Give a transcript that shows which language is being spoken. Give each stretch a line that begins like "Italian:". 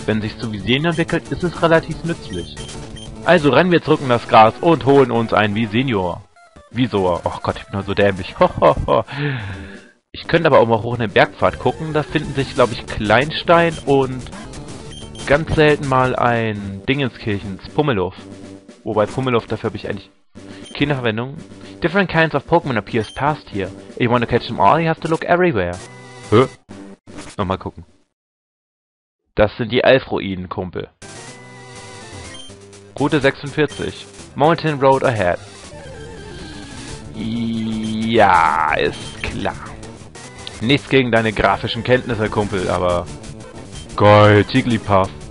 German: Wenn sich zu Visenio entwickelt, ist es relativ nützlich. Also rennen wir zurück in das Gras und holen uns einen Visenio. Wieso? Och Gott, ich bin nur so dämlich. Ich könnte aber auch mal hoch in den Bergpfad gucken. Da finden sich, glaube ich, Kleinstein und ganz selten mal ein Dingenskirchens, Pummeluff. Wobei Pummeluff, dafür habe ich eigentlich keine Verwendung.
English: Different kinds of Pokémon appears past here. If you want to catch them all, you have to look everywhere.
German: Hä? Nochmal gucken. Das sind die Elfruinen, Kumpel.
English: Route 46. Mountain Road ahead.
German: Ja, ist klar. Nichts gegen deine grafischen Kenntnisse, Kumpel, aber... Geil, Jigglypuff.